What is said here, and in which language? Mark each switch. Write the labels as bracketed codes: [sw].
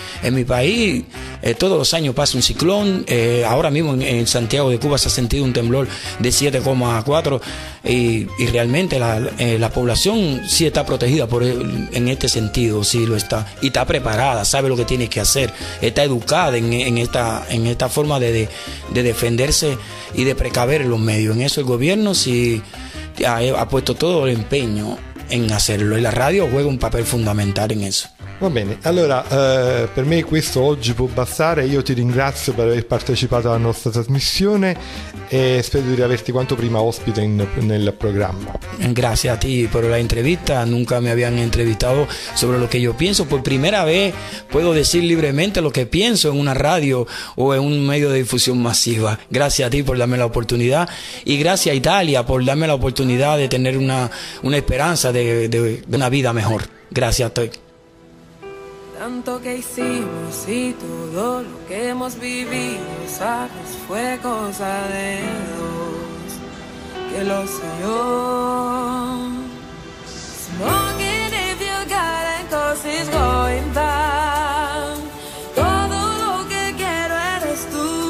[es] En mi país, todos los años pasa un ciclón, ahora mismo en Santiago de Cuba se ha sentido un temblor de 7,4 y realmente la población sí está protegida en este sentido, sí lo está, y está preparada, sabe lo que tiene que hacer, está educada en esta forma de defenderse y de precaver los medios. En eso el gobierno sí ha puesto todo el empeño en hacerlo, e la radio juega un papel [it] fondamentale in [es] eso. [it] Va bene, allora per me questo oggi può bastare. Io ti ringrazio per aver partecipato alla nostra trasmissione e spero di averti quanto prima ospite nel programma. Grazie a te per la [es] entrevista, nunca mi habían entrevistado sobre lo que yo pienso. Por primera vez puedo decir libremente lo que pienso en una radio o en un medio de difusión masiva. Gracias a ti por darme la oportunidad y gracias a Italia por darme la oportunidad de tener una esperanza de una vida mejor. Gracias a ti. Tanto que hicimos y todo lo que hemos vivido, sabes, fue cosa de dos, que lo sé yo. [en] Smoking if you got it, cause it's going down. [es] Todo lo que quiero eres tú.